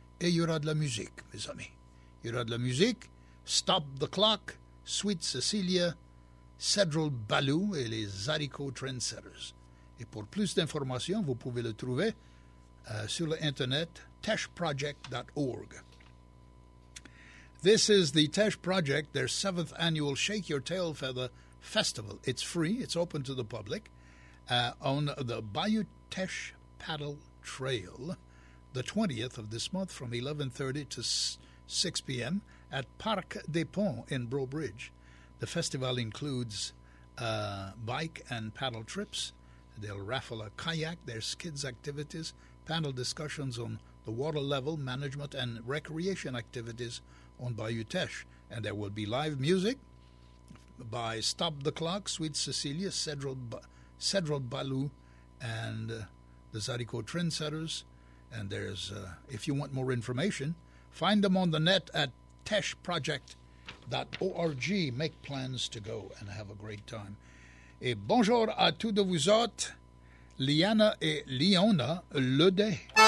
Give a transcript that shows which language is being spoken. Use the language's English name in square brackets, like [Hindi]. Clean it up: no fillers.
[French] Et il y aura de la musique, mes amis. Il y aura de la musique. Stop the Clock, Sweet Cecilia, Cedral Balou et les Zarico Trendsetters. Et pour plus d'informations, vous pouvez le trouver sur l'Internet, teshproject.org. [English] This is the Tesh Project, their 7th annual Shake Your Tail Feather Festival. It's free, it's open to the public, on the Bayou Tesh Paddle Trail, the 20th of this month, from 11:30 to 6 p.m. at Parc des Ponts in Breau Bridge. The festival includes bike and paddle trips. They'll raffle a kayak, there's kids activities, panel discussions on the water level management and recreation activities on Bayou Tesh. And there will be live music by Stop the Clock, Sweet Cecilia, Cedral Balou, and the Zarico Trendsetters. And there's, if you want more information, find them on the net at teshproject.org. Make plans to go and have a great time. [French] Et bonjour à tous de vous autres, Liana et Liona Ledé.